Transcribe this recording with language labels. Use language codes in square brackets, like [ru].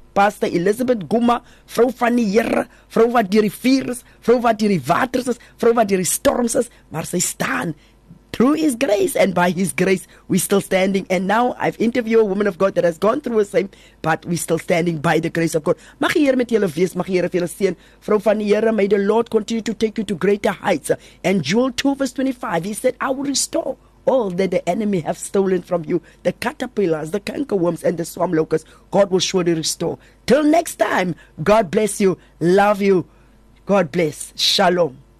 [af] Pastor Elizabeth Guma, vrou van die Here, vrou wat die rivier is, vrou wat die waters is, vrou wat die storms is, maar sy staan. [en] Through his grace and by his grace, we're still standing. And now I've interviewed a woman of God that has gone through the same, but we're still standing by the grace of God. [af] Mag die Here met julle wees, mag die Here vir julle seën. Vrou van die Here, [en] may the Lord continue to take you to greater heights. And Joel 2 verse 25, he said, I will restore all that the enemy have stolen from you. The caterpillars, the cankerworms, and the swamp locusts, God will surely restore. Till next time, God bless you. Love you. God bless. Shalom.